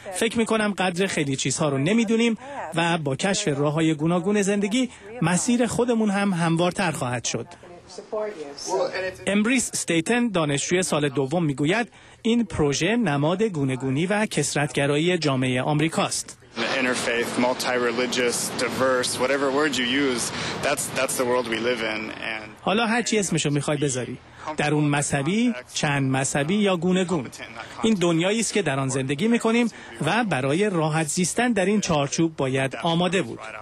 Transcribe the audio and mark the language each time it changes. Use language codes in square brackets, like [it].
[fa] فکر میکنم قدر خیلی چیزها رو نمیدونیم و با کشف راه‌های گوناگون زندگی مسیر خودمون هم هموارتر خواهد شد. امبریس ستیتن دانشجوی سال دوم میگوید این پروژه نماد گونه‌گونی و کثرت‌گرایی جامعه آمریکاست. [en] Interfaith, multi-religious, diverse, whatever word you use, that's the world we live in. [fa] حالا هر چی اسمشو میخوای بذاری. در اون مذهبی، چند مذهبی یا گونه‌گون. این دنیایی است که در آن زندگی میکنیم و برای راحت زیستن در این چارچوب باید آماده بود.